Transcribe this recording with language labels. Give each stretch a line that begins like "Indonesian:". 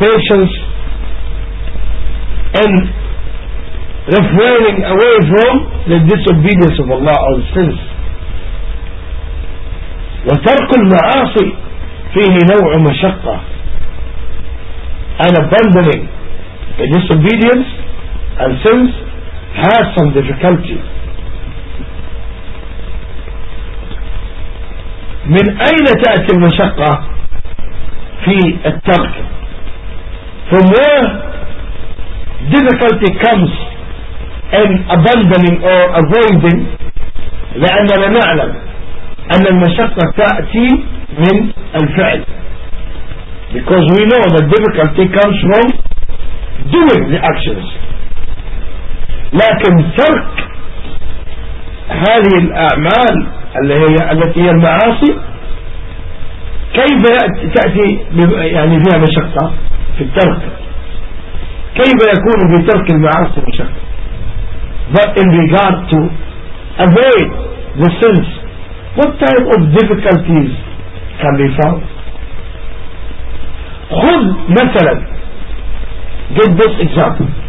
English: Patience in refraining away from the disobedience of Allah or sins.
Arabic: وترك المعاصي فيه نوع مشقة.
English: And abandoning the disobedience and sins has some difficulty.
Arabic: من أين تأتي المشقة في الترك؟
English: From where difficulty comes in abandoning or avoiding,
Arabic: لأننا نعلم أن المشقة تأتي من الفعل.
English: Because we know that difficulty comes from doing the actions.
Arabic: لكن ترك هذه الأعمال التي هي المعاصي كيف تأتي يعني فيها مشقة؟ في الترك كيف يكون في ترك المعاصي مشقة؟
English: But in regard to avoid the sins, what type of difficulties can be found?
Arabic: خذ مثلا,
English: give this example.